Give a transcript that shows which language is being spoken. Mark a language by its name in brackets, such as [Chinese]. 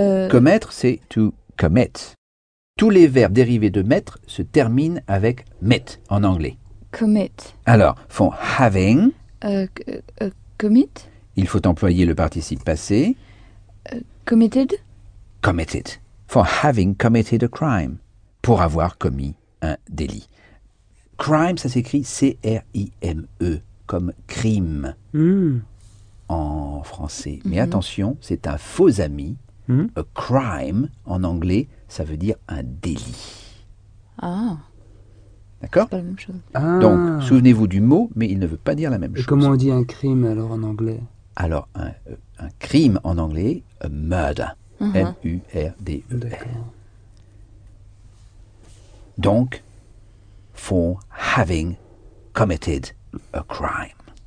[French] Commettre, c'est [English] to commit. [French] Tous les verbes dérivés de mettre se terminent avec met en anglais. [English] Commit. [French] Alors, font having. [English] Commit. [French] Il faut employer le participe passé. [English] Committed. Committed. For having committed a crime. [French] Pour avoir commis un délit. Crime, ça s'écrit C-R-I-M-E, comme crime en français. Mais attention, c'est un faux ami. A crime, en anglais, ça veut dire un délit. Ah. D'accord? C'est pas la même chose. Ah. Donc, souvenez-vous du mot, mais il ne veut pas dire la même chose. Comment on dit un crime, alors, en anglais? Alors, un crime, en anglais, a murder. [English] M-U-R-D-E-R. [French] D'accord. [English] Donc, for having committed a crime.